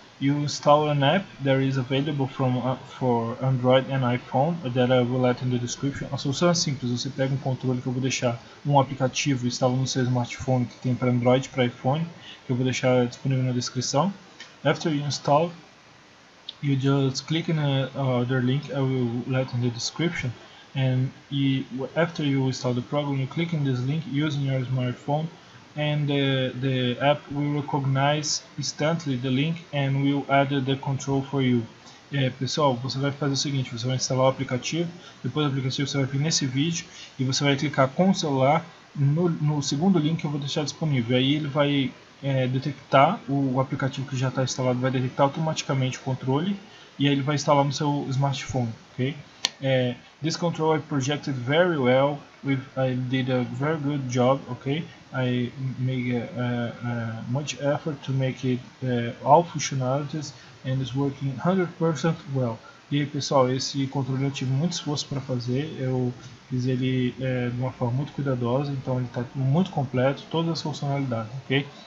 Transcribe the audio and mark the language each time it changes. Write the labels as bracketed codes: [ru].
[en] You install an app that is available for Android and iPhone that I will let in the description. [pt] A solução é simples, você pega um controle que eu vou deixar um aplicativo instalado no seu smartphone que tem para Android e para iPhone, que eu vou deixar disponível na descrição. [en] After you install, you just click on the link I will let in the description. And after you install the program, you click on this link using your smartphone. And the app will recognize instantly the link and will add the control for you. [pt] Pessoal, você vai fazer o seguinte, você vai instalar o aplicativo, depois do aplicativo você vai vir nesse vídeo e você vai clicar com o celular no segundo link que eu vou deixar disponível. Aí ele vai detectar o aplicativo que já está instalado, vai detectar automaticamente o controle e aí ele vai instalar no seu smartphone, ok? [en] This control I projected very well. I did a very good job, okay? I made much effort to make it all functionalities and it's working 100% well. [pt] E aí pessoal, esse controle eu tive muito esforço para fazer, eu fiz ele de uma forma muito cuidadosa, então ele está muito completo, todas as funcionalidades, ok?